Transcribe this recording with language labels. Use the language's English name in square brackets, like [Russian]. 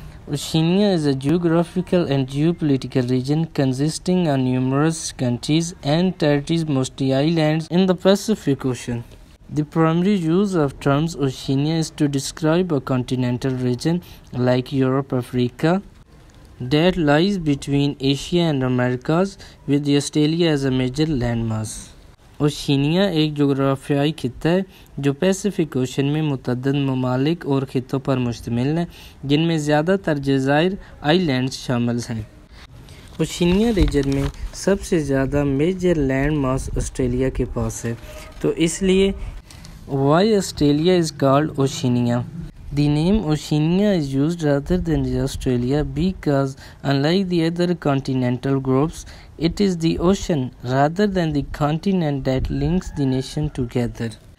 [English] Oceania is a geographical and geopolitical region consisting of numerous countries and territories, mostly islands, in the Pacific Ocean. The primary use of terms Oceania is to describe a continental region like Europe, Africa, that lies between Asia and Americas, with Australia as a major landmass. [Urdu] Oceania ایک جغرافیائی خطہ ہے جو Pacific ocean میں متعدد ممالک اور خطوں پر مشتمل ہے جن میں زیادہ تر جزائر آئی لینڈز شامل ہیں. اوشینیا ریجن میں سب سے زیادہ میجر لینڈ ماس آسٹریلیا کے پاس ہے. تو اس لیے [English] Why Australia is called Oceania. The name Oceania is used rather than Australia because, unlike the other continental groups, it is the ocean rather than the continent that links the nation together.